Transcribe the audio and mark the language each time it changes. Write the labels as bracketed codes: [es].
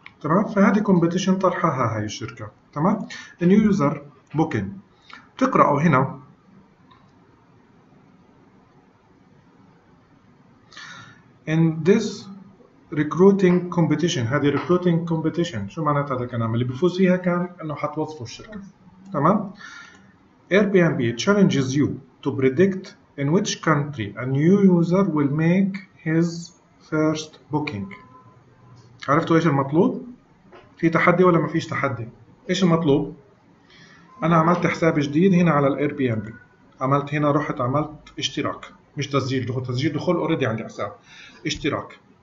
[ar] تمام؟ فهذه كومبيتيشن طرحها هاي الشركة. تمام؟ النيو يوزر بوكين تقرأوا هنا in this recruiting competition. هذه recruiting competition شو معنى هذا الكلام؟ اللي بيفوز فيها كان انه حتوظفوا الشركة. [en] تمام؟ Airbnb challenges you to predict in which country a new user will make his first booking. [ar] عرفتوا ايش المطلوب؟ في تحدي ولا ما فيش تحدي؟ ايش المطلوب؟ انا عملت حساب جديد هنا على Airbnb، عملت هنا رحت عملت اشتراك، مش تسجيل دخول، تسجيل دخول اوريدي عندي حساب، اشتراك.